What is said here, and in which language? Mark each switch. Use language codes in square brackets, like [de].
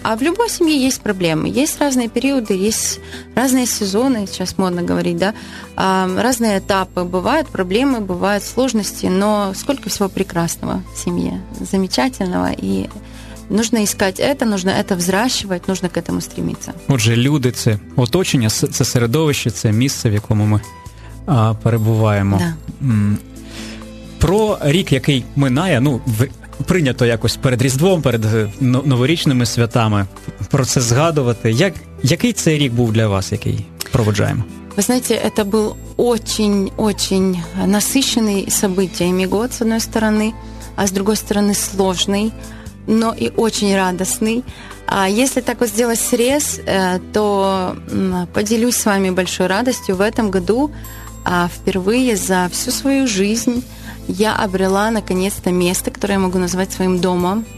[ru] А в любой семье есть проблемы. Есть разные периоды, есть разные сезоны, сейчас модно говорить, да. Разные этапы. Бывают проблемы, бывают сложности, но сколько всего прекрасного в семье, замечательного. И Нужно искать это, нужно это взращивать, нужно к этому стремиться. [uk] Отже, люди – це оточення, це середовище, це місце, в якому ми перебуваємо. Да. Про рік, який минає, ну, прийнято якось перед Різдвом, перед новорічними святами про це згадувати. Який цей рік був для вас, який проводжаємо? [ru] Вы знаете, это был очень-очень насыщенный событиями год, с одной стороны, а с другой стороны сложный, но и очень радостный. А если так вот сделать срез, то поделюсь с вами большой радостью. В этом году впервые за всю свою жизнь я обрела наконец-то место, которое я могу назвать своим домом.